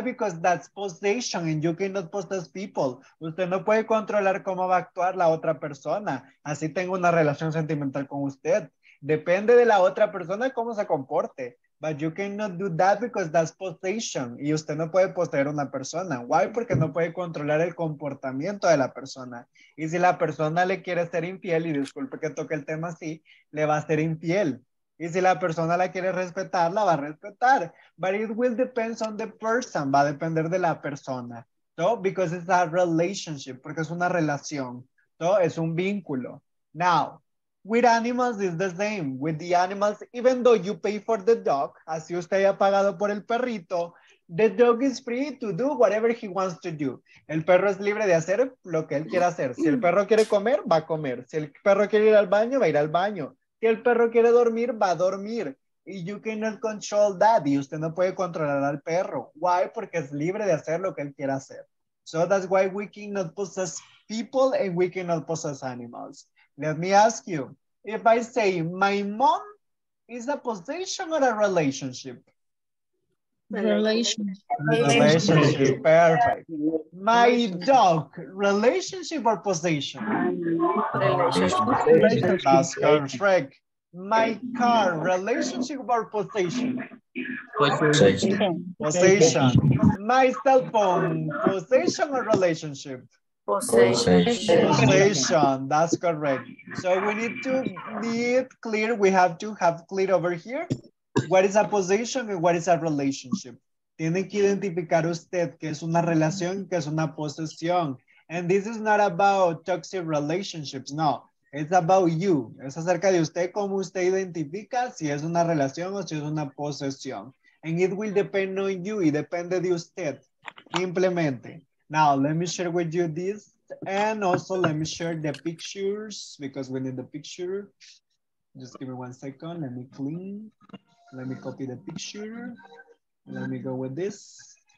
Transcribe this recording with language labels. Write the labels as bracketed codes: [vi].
[en] Because that's possession and you cannot possess people. [es] Usted no puede controlar cómo va a actuar la otra persona. Así tengo una relación sentimental con usted. Depende de la otra persona cómo se comporte. [en] But you cannot do that because that's possession. [es] Y usted no puede poseer una persona. [en] Why? [es] Porque no puede controlar el comportamiento de la persona. Y si la persona le quiere ser infiel, y disculpe que toque el tema así, le va a ser infiel. Y si la persona la quiere respetar, la va a respetar. [en] But it will depend on the person. [es] Va a depender de la persona. [en] So, because it's a relationship. [es] Porque es una relación. So, es un vínculo. [en] Now, with animals is the same. With the animals, even though you pay for the dog, [es] así usted haya pagado por el perrito, [en] the dog is free to do whatever he wants to do. [es] El perro es libre de hacer lo que él quiera hacer. Si el perro quiere comer, va a comer. Si el perro quiere ir al baño, va a ir al baño. Si el perro quiere dormir, va a dormir. Y [en] you cannot control that. [es] Y usted no puede controlar al perro. [en] Why? [es] Porque es libre de hacer lo que él quiera hacer. [en] So that's why we cannot possess people and we cannot possess animals. Let me ask you, if I say my mom is a possession or a relationship? Relationship. Perfect. My dog, relationship or possession? Relationship. That's correct. My car, relationship or possession? Possession. Possession. My cell phone, possession or relationship? Possession. That's correct. So we need to be clear. We have to have clear over here. What is a possession and what is a relationship? [es] Tiene que identificar usted que es una relación, que es una posesión. [en] And this is not about toxic relationships. No, it's about you. [es] Es acerca de usted, cómo usted identifica si es una relación o si es una posesión. [en] And it will depend on you. [es] Y depende de usted. Simplemente. [en] Now, let me share with you this, and also let me share the pictures, because we need the picture. Just give me 1 second, let me clean, let me copy the picture, let me go with this.